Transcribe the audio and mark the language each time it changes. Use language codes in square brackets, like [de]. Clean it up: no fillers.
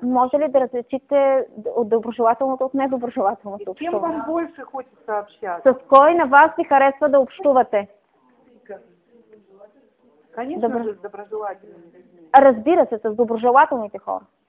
[bg] Може ли да различите доброжелателното от недоброжелателното общуване? [ru] С кем вам больше хочется общаться? [bg] С кой на вас ви харесва да общувате? [ru] Конечно же, с доброжелательными людьми. [bg] Разбира се, с доброжелателните хора.